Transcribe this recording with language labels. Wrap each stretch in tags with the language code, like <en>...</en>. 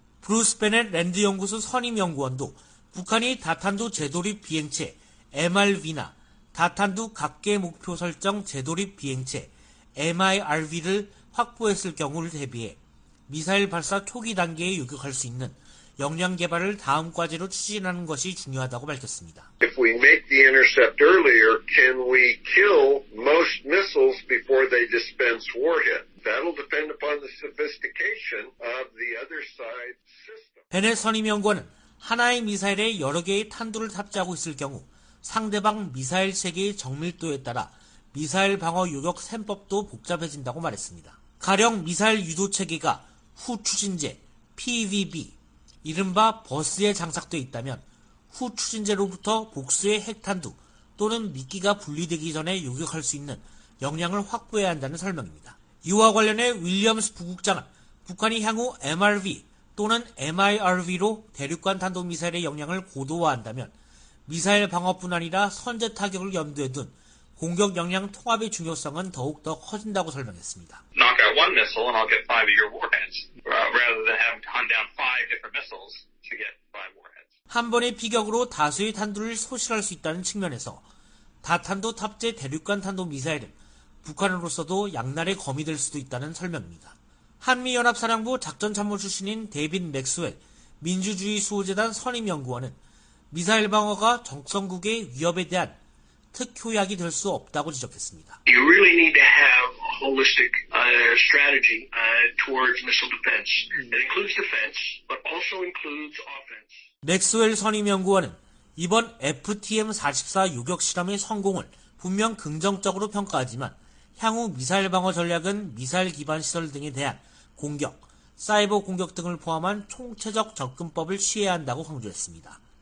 <ko>브루스 베넷 랜드 연구소 선임 연구원도 북한이 다탄두 재돌입 비행체 MRV나 다탄두 각개 목표 설정 재돌입 비행체 MIRV를 확보했을 경우를 대비해 미사일 발사 초기 단계에 요격할 수 있는 역량 개발을 다음 과제로 추진하는 것이 중요하다고 밝혔습니다.</ko> <en>If we make the intercept earlier, can we kill most missiles before they dispense warhead? That'll depend upon the sophistication of the other side's system.</en> <ko>베넷 선임 연구원은 하나의 미사일에 여러 개의 탄두를 탑재하고 있을 경우 상대방 미사일 체계의 정밀도에 따라 미사일 방어 요격 셈법도 복잡해진다고 말했습니다. 가령 미사일 유도 체계가 후추진제 PVB 이른바 버스에 장착되어 있다면 후추진제로부터 복수의 핵탄두 또는 미끼가 분리되기 전에 요격할 수 있는 역량을 확보해야 한다는 설명입니다. 이와 관련해 윌리엄스 부국장은 북한이 향후 MRV 또는 MIRV로 대륙간 탄도미사일의 역량을 고도화한다면 미사일 방어뿐 아니라 선제 타격을 염두에 둔 공격 역량 통합의 중요성은 더욱 더 커진다고 설명했습니다.</ko> <en>Knock out one missile and I'll get five of your warheads, rather than have to hunt down five different missiles to get five warheads.</en> <ko>한 번의 피격으로 다수의 탄두를 소실할 수 있다는 측면에서 다탄도 탑재 대륙간 탄도 미사일은 북한으로서도 양날의 검이 될 수도 있다는 설명입니다. 한미 연합사령부 작전참모 출신인 데빈 맥스웰 민주주의 수호재단 선임 연구원은 미사일 방어가 적성국의 위협에 대한 특효약이 될 수 없다고 지적했습니다.</ko> <en>You really need to have a holistic strategy towards missile defense. That includes defense, but also includes offense.</en> <ko>맥스웰 선임 연구원은 이번 FTM-44 요격 실험의 성공을 분명 긍정적으로 평가하지만 향후 미사일 방어 전략은 미사일 기반 시설 등에 대한 공격, 사이버 공격 등을 포함한 총체적 접근법을 취해야 한다고 강조했습니다.</ko>